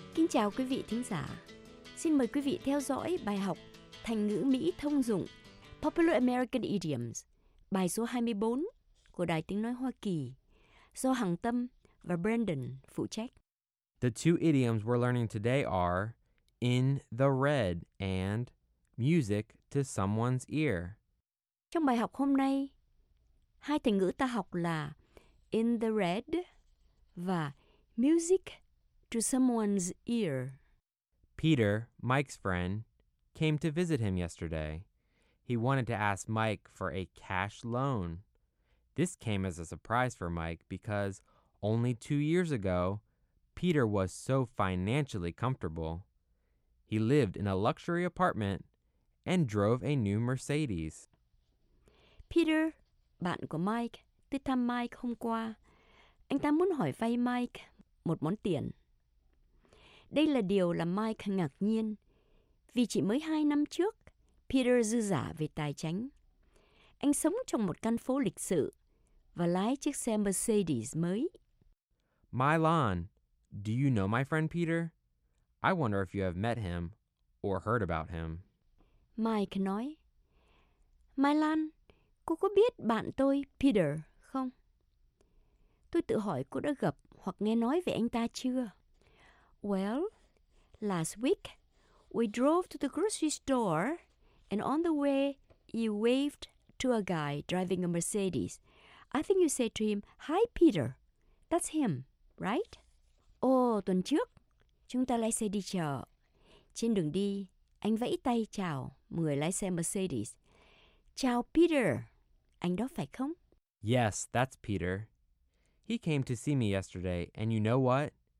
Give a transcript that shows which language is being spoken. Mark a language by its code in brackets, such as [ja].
[vi] Chào quý vị thính giả. Xin mời quý vị theo dõi bài học thành ngữ Mỹ thông dụng [en] Popular American Idioms, [vi] bài số 24 của Đài Tiếng Nói Hoa Kỳ, do Hằng Tâm và Brandon phụ trách. [en] The two idioms we're learning today are in the red and music to someone's ear. [vi] Trong bài học hôm nay, hai thành ngữ ta học là [en] in the red [vi] và [en] music to someone's ear. Peter, Mike's friend, came to visit him yesterday. He wanted to ask Mike for a cash loan. This came as a surprise for Mike because only 2 years ago, Peter was so financially comfortable. He lived in a luxury apartment and drove a new Mercedes. [vi] Peter, bạn của Mike, tới thăm Mike hôm qua. Anh ta muốn hỏi vay Mike một món tiền. Đây là điều làm Mike ngạc nhiên, vì chỉ mới 2 năm trước, Peter dư giả về tài chính. Anh sống trong một căn phố lịch sự và lái chiếc xe Mercedes mới. [en] Milan, do you know my friend Peter? I wonder if you have met him or heard about him. [vi] Mike nói, Milan, cô có biết bạn tôi Peter không? Tôi tự hỏi cô đã gặp hoặc nghe nói về anh ta chưa? [en] Well, last week, we drove to the grocery store, and on the way, you waved to a guy driving a Mercedes. I think you said to him, hi, Peter. That's him, right? [vi] Oh, tuần trước, chúng ta lái xe đi chợ. Trên đường đi, anh vẫy tay chào người lái xe Mercedes. Chào, Peter. Anh đó phải không? [en] Yes, that's Peter. He came to see me yesterday, and you know what?